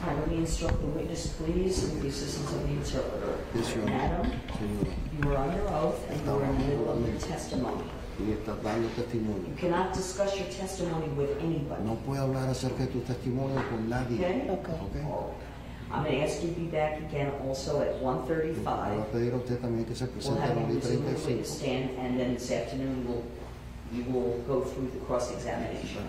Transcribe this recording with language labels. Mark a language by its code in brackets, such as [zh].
[en] Instruct the witness, please, with the assistance of the interpreter. Yes, Your Honor. Madam, [es] Senora. [en] You are under oath and you are in the middle of your testimony. You cannot discuss your testimony with anybody. [es] No puedo hablar acerca de tu testimonio con nadie. [en] Okay. I'm going to ask you to be back again also at 1:35. We'll have you resume the witness stand, and then this afternoon you will go through the cross-examination.